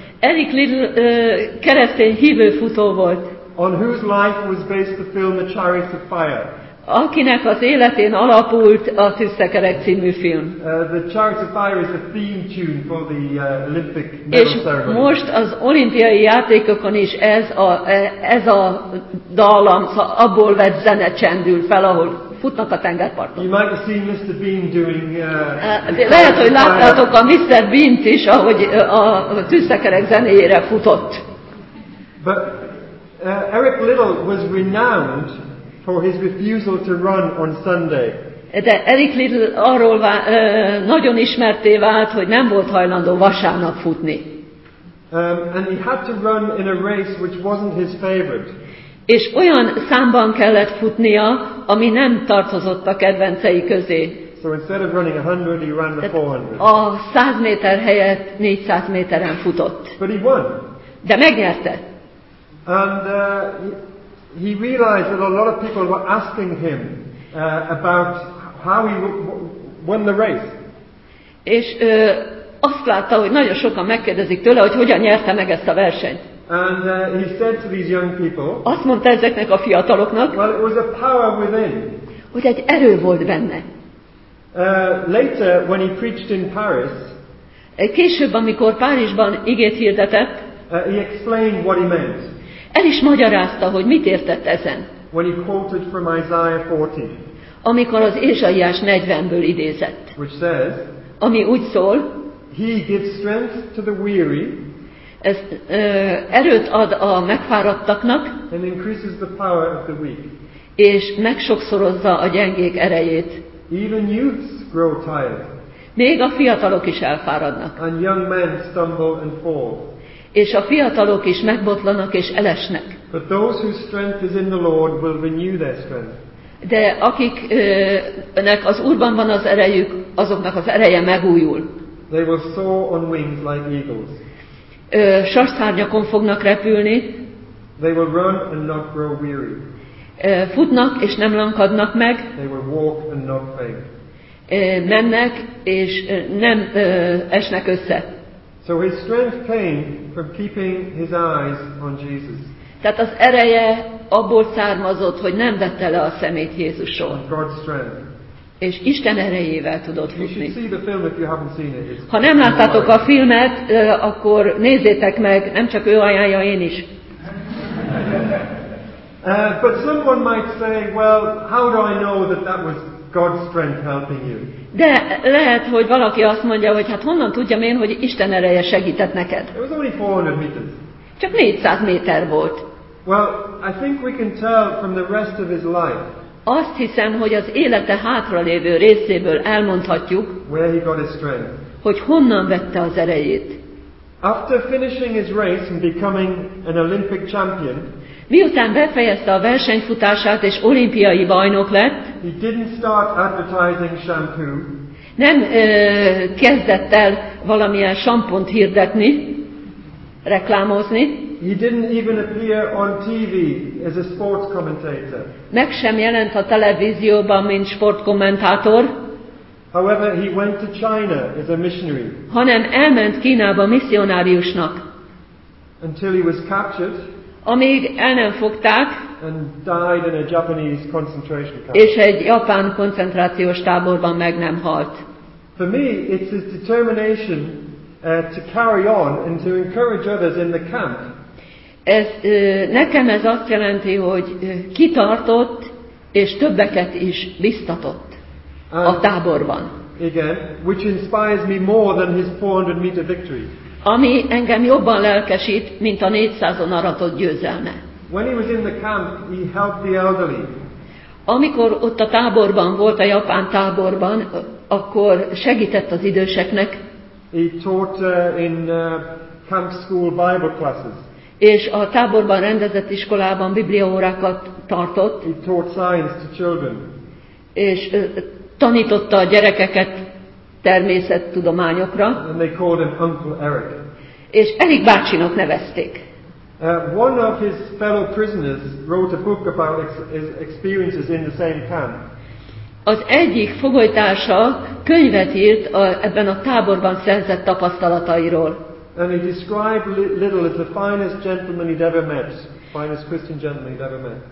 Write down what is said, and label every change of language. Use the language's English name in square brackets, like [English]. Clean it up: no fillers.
[Hungarian] Eric Little keresztény hívő futó volt. [English] On whose life was based the film The Chariots of Fire? [Hungarian] Akinek az életén alapult a Tűzszekerek című film. [English] The Chariots of Fire is a theme tune for the Olympic medal [Hungarian] és [English] ceremony. [Hungarian] És most az olimpiai játékokon is ez a dallam, abból vett zene csendül fel, ahol futnak a tengerparton. [English] You might have seen Mr. Bean doing [Hungarian] lehet, hogy láttátok a Mr. Bean-t is, ahogy a Tűzszekerek zenéjére futott. [English] But Eric Little was renowned for his refusal to run on Sunday. [Hungarian] De Eric Little arról nagyon ismerté vált, hogy nem volt hajlandó vasárnap futni. [English] And he had to run in a race which wasn't his favorite. [Hungarian] És olyan számban kellett futnia, ami nem tartozott a kedvencei közé. [English] So instead of running 100, he ran the 400. [Hungarian] A 100 méter helyett 400 méteren futott. [English] But he won. [Hungarian] De megnyerte. [English] And he realized that a lot of people were asking him about how he won the race. [Hungarian] És azt látta, hogy nagyon sokan megkérdezik tőle, hogy hogyan nyerte meg ezt a versenyt. [English] And he said to these young people. [Hungarian] Azt mondta ezeknek a fiataloknak. [English] Well, it was a power within. [Hungarian] Hogy egy erő volt benne. [English] Later, when he preached in Paris. [Hungarian] Később, amikor Párizsban igét hirdetett. [English] He explained what he meant. [Hungarian] El is magyarázta, hogy mit értett ezen. [English] When he quoted from Isaiah 40. [Hungarian] Amikor az Ézsaiás 40-ből idézett. [English] Which says, [Hungarian] ami úgy szól. [English] He gives strength to the weary. [Hungarian] Ez erőt ad a megfáradtaknak. [English] And increases the power of the weak. [Hungarian] És megsokszorozza a gyengék erejét. [English] Even youths grow tired. [Hungarian] Még a fiatalok is elfáradnak. [English] And young men stumble and fall. [Hungarian] És a fiatalok is megbotlanak és elesnek. [English] But those whose strength is in the Lord will renew their strength. [Hungarian] De akiknek az Úrban van az erejük, azoknak az ereje megújul. [English] They will soar on wings like eagles. [Hungarian] Sarszárnyakon fognak repülni. [English] They will run and not grow weary. [Hungarian] Futnak és nem lankadnak meg. [English] They will walk and not faint. [Hungarian] Mennek és nem esnek össze. [English] So his strength came from keeping his eyes on Jesus. [Hungarian] Tehát az ereje abból származott, hogy nem vette le a szemét Jézusról. [English] God's strength. [Hungarian] És Isten erejével tudott futni. [English] You should see the film if you haven't seen it. [Hungarian] Ha nem láttátok a filmet, akkor nézzétek meg, nem csak ő ajánlja, én is. [English] But someone might say, well, how do I know that was God's strength helping you? [Hungarian] De lehet, hogy valaki azt mondja, hogy hát honnan tudjam én, hogy Isten ereje segített neked? [English] It was only 400 meters. [Hungarian] Csak 400 méter volt. [English] Well, I think we can tell from the rest of his life. [Hungarian] Azt hiszem, hogy az élete hátralévő részéből elmondhatjuk, [English] where he got his strength. [Hungarian] Hogy honnan vette az erejét. [English] After finishing his race and becoming an Olympic champion, [Hungarian] miután befejezte a versenyfutását és olimpiai bajnok lett, [English] he didn't start advertising shampoo, [Hungarian] nem kezdett el valamilyen sampont hirdetni, reklámozni. [English] He didn't even appear on TV as a sports commentator. [Hungarian] Meg sem jelent a televízióban, mint sportkommentátor. [English] However, he went to China as a missionary. [Hungarian] Hanem elment Kínába misszionáriusnak. [English] Until he was captured. [Hungarian] Amíg el nem fogták. [English] And died in a Japanese concentration camp. [Hungarian] És egy japán koncentrációs táborban meg nem halt. [English] For me, it's his determination to carry on and to encourage others in the camp. [Hungarian] Ez nekem ez azt jelenti, hogy kitartott és többeket is biztatott a táborban. [English] Again, which inspires me more than his 400 meter victory. [Hungarian] Ami engem jobban lelkesít, mint a 400-on aratott győzelme. [English] When he was in the camp, he helped the elderly. [Hungarian] Amikor ott a táborban volt, a japán táborban, akkor segített az időseknek. [English] He taught in camp school Bible classes. [Hungarian] És a táborban rendezett iskolában bibliaórákat tartott. [English] He taught science to children. [Hungarian] És tanította a gyerekeket természettudományokra. [English] And they called him Uncle Eric. [Hungarian] És Eric bácsinak nevezték. [English] One of his fellow prisoners wrote a book about his experiences in the same camp. [Hungarian] Az egyik fogolytársa könyvet írt ebben a táborban szerzett tapasztalatairól. [English] And he described Little as the finest gentleman he'd ever met, finest Christian gentleman he'd ever met.